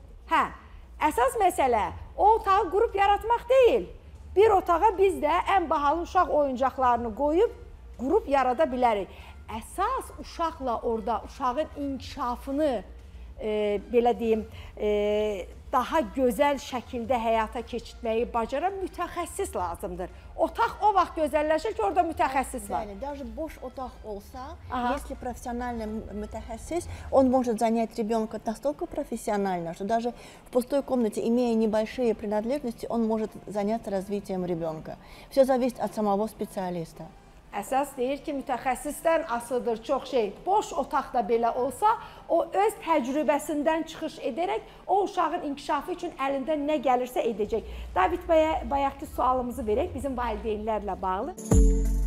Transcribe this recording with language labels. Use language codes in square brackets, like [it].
[az] Hə, əsas məsələ o otağı qurub yaratmaq deyil, bir otağa biz də ən bahalı uşaq oyuncaqlarını qoyub, qrup yarada bilərik. Əsas uşaqla orada uşağın inkişafını belə deyim, daha gözəl şəkildə həyata keçirməyi bacaran mütəxəssis lazımdır. Otaq o vaxt gözəlləşir ki, orada mütəxəssis var. Yəni, daha boş otaq olsa, [ru] если профессиональный mütəxəssis, он может занять ребенка настолько профессионально, что даже в пустой комнате, имея небольшие принадлежности, он может заняться развитием ребенка. Все зависит от самого специалиста. [az] Əsas deyir ki, mütəxəssisdən asılıdır çox şey. Boş otaq da belə olsa, o öz təcrübəsindən çıxış edərək, o uşağın inkişafı üçün əlindən nə gəlirsə edəcək. David bəyə bayaqki sualımızı verək bizim valideynlərlə bağlı.